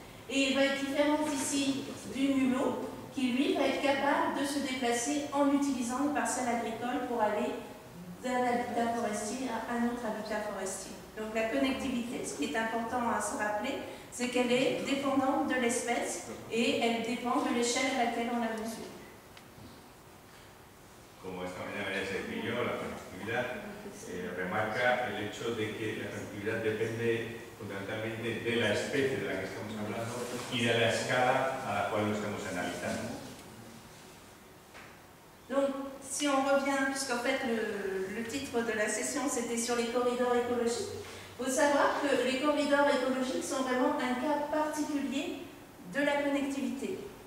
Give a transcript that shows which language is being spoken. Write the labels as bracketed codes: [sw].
[fr] Et il va être différent ici du mulot qui, lui, va être capable de se déplacer en utilisant une parcelle agricole pour aller d'un habitat forestier à un autre habitat forestier. Donc la connectivité, ce qui est important à se rappeler, c'est qu'elle est dépendante de l'espèce et elle dépend de l'échelle à laquelle on la mesure. [es] Como esta mañana ya se dijo, la conectividad remarca el hecho de que la conectividad depende fundamentalmente de la especie de la que estamos hablando y de la escala a la cual lo estamos analizando. [fr] Donc, si on revient, puisqu'en fait le titre de la session c'était sur les corridors écologiques, il faut savoir que les corridors écologiques sont vraiment un cas particulier de la connectivité.